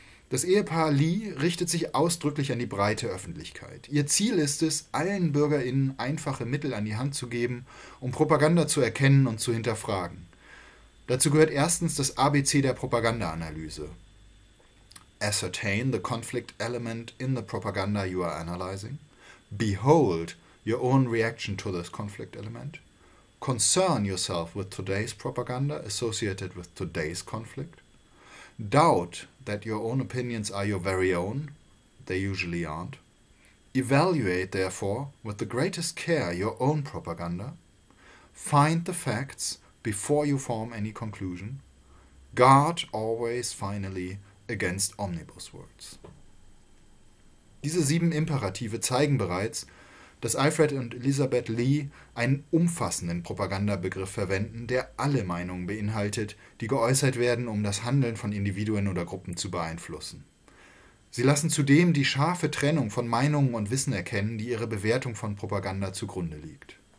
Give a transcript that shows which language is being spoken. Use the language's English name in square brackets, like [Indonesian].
[German] Das Ehepaar Lee richtet sich ausdrücklich an die breite Öffentlichkeit. Ihr Ziel ist es, allen BürgerInnen einfache Mittel an die Hand zu geben, um Propaganda zu erkennen und zu hinterfragen. Dazu gehört erstens das ABC der Propaganda-Analyse. [English] Ascertain the conflict element in the propaganda you are analyzing. Behold your own reaction to this conflict element. Concern yourself with today's propaganda associated with today's conflict. Doubt that your own opinions are your very own. They usually aren't. Evaluate, therefore, with the greatest care your own propaganda. Find the facts before you form any conclusion. Guard always, finally, against omnibus words. [German] Diese sieben Imperative zeigen bereits, dass Alfred und Elizabeth Lee einen umfassenden Propagandabegriff verwenden, der alle Meinungen beinhaltet, die geäußert werden, um das Handeln von Individuen oder Gruppen zu beeinflussen. Sie lassen zudem die scharfe Trennung von Meinungen und Wissen erkennen, die ihre Bewertung von Propaganda zugrunde liegt.